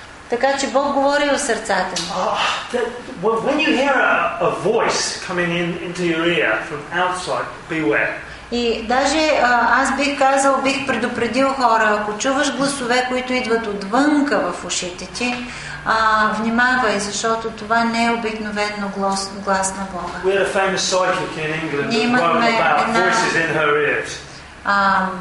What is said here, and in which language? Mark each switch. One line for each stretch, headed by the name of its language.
Bulgarian: Така че Бог говори в сърцата ни.
English: When you hear a voice coming into your ear from outside, beware.
Bulgarian: И даже аз бих казал, бих предупредил хора, ако чуваш гласове, които идват отвънка в ушите ти, внимавай, защото това не е обикновено глас на Бога.
English: We had a famous psychic in England that wrote about voices in her ears.